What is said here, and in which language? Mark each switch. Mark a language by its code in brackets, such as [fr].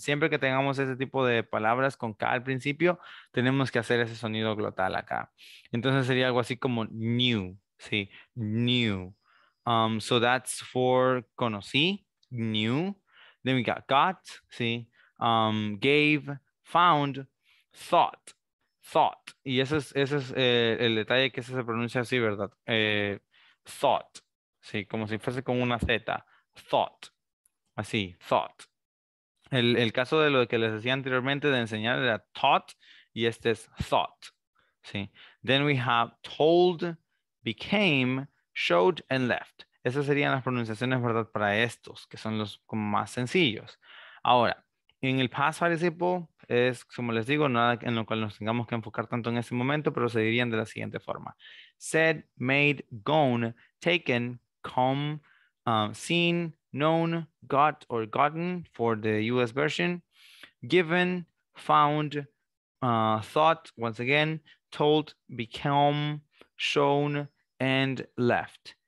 [es] Siempre que tengamos ese tipo de palabras con K al principio, tenemos que hacer ese sonido glotal acá. Entonces sería algo así como new, see, new. [en] So that's for conocí, new. Then we got, see, gave, found, thought, thought. [es] Y ese es el detalle que se pronuncia así, ¿verdad? Thought, sí, como si fuese con una Z, thought, así, thought. El caso de lo que les decía anteriormente de enseñar era taught, y este es thought, sí. [en] Then we have told, became, showed, and left. [es] Esas serían las pronunciaciones, ¿verdad?, para estos, que son los como más sencillos. Ahora, en el past participle, es, como les digo, nada en lo cual nos tengamos que enfocar tanto en ese momento, pero se dirían de la siguiente forma. [en] Said, made, gone, taken, come, seen, known, got or gotten for the US version, given, found, thought, once again, told, become, shown, and left.